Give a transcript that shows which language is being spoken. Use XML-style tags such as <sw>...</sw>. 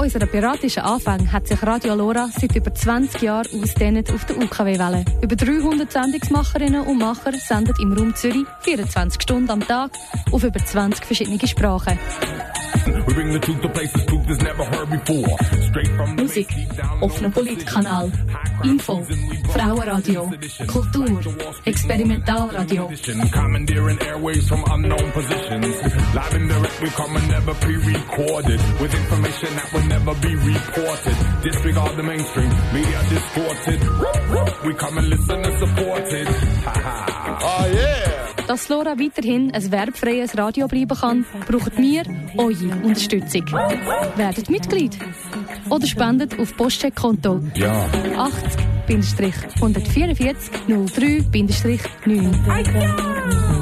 <de>Piratischen Anfang hat sich Radio Lora seit über 20 Jahren ausdehnt auf der UKW-Welle. Über 300 Sendungsmacherinnen und Macher senden im Raum Zürich 24 Stunden am Tag auf über 20 verschiedene Sprachen.</de> <en>We bring the truth to places truth has never heard before. Straight from the</en> <de>Musik, offener Politkanal, Info, Frauenradio, Kultur, Experimentalradio.</de> <en>Commandeering airways from unknown positions. Live and direct, we come and never be recorded. With information that will never be reported. Disregard the mainstream, media distorted. We come and listen and support it. Ha ha. Oh yeah!</en> <de>Dass Lora weiterhin ein werbfreies Radio bleiben kann, braucht wir eure Unterstützung. Werdet Mitglied oder spendet auf Postcheckkonto 80-144-03-9.</de>